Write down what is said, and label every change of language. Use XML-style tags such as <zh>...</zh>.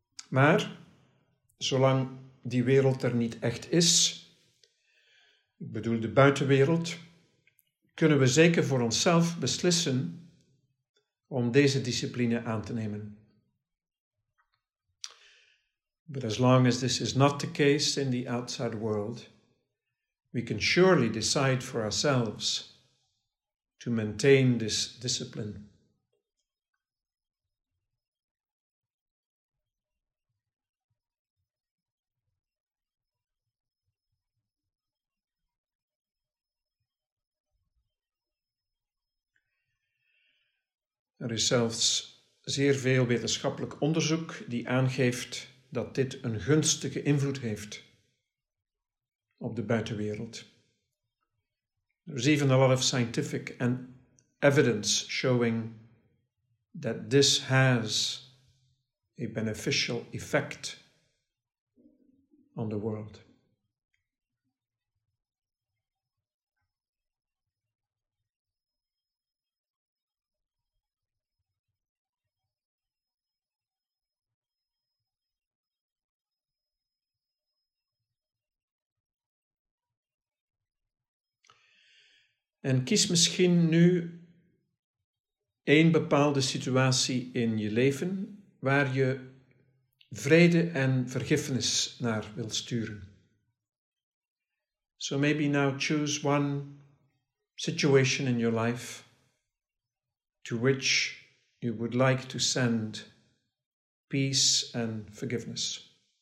<nl>Maar, zolang die wereld er niet echt is, ik bedoel de buitenwereld, kunnen we zeker voor onszelf beslissen om deze discipline aan te nemen.</nl> <en>But as long as this is not the case in the outside world, we can surely decide for ourselves to maintain this discipline.</en> <nl>Er is zelfs zeer veel wetenschappelijk onderzoek die aangeeft dat dit een gunstige invloed heeft op de buitenwereld.</nl> <en>There's even a lot of scientific and evidence showing that this has a beneficial effect on the world.</en> <nl>En kies misschien nu één bepaalde situatie in je leven waar je vrede en vergiffenis naar wilt sturen.</nl> <en>So maybe now choose one situation in your life to which you would like to send peace and forgiveness.</en>